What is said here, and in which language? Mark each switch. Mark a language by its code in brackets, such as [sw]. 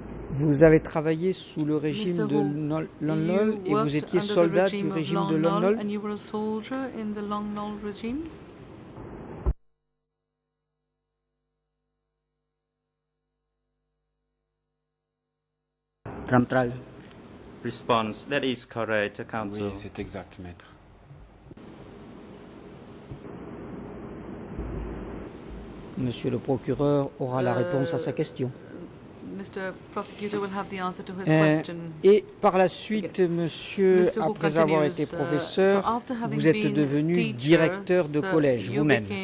[fr] Vous avez travaillé sous le régime de Longnol et vous étiez soldat du régime de Longnol. [en] And you were a soldier in the Longnol regime. Tramtral. Response. That is correct, counsel. [fr] Oui, c'est exact, maître. Monsieur le procureur aura la réponse à sa question. [en] Mr. Prosecutor will have the answer to his question. [fr] Et par la suite, monsieur, après avoir été professeur, vous êtes devenu directeur de collège vous-même.